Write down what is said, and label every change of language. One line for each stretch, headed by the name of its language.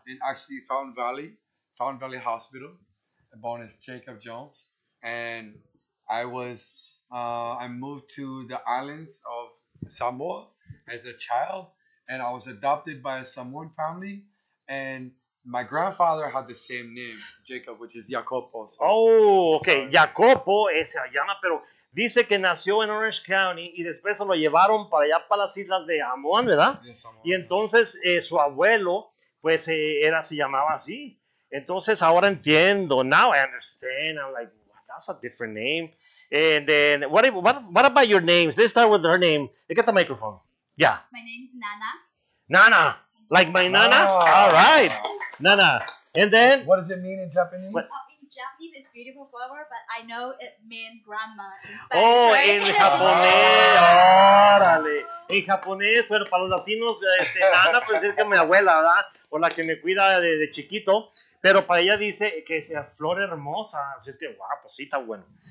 English: In actually Fountain Valley Hospital. Born as Jacob Jones. And I was, I moved to the islands of Samoa as a child. And I was adopted by a Samoan family, and my grandfather had the same name, Jacob, which is Jacopo. So. Oh, okay. Sorry.
Spanish: Jacopo es allá, pero dice que nació en Orange County y después lo llevaron para allá, para las islas de Samoan, ¿verdad? De Samoan. Y entonces su abuelo, pues era, se llamaba así. Entonces ahora entiendo.
English: Now I understand. I'm like, well, that's a different name. And then, what about your names? Let's start with her name. Get the microphone. Yeah. My name is Nana. Nana. Like my Nana? Oh. All right. Nana. And then? What does it mean in Japanese? In Japanese, it's beautiful flower, but I know it means grandma. Oh, in Japanese. Órale.
Spanish: En japonés, bueno, para los latinos, Nana, pues es que mi abuela, ¿verdad? O la que me cuida de chiquito. Pero para ella dice que es flor hermosa. Así es que, wow, pues sí, está bueno.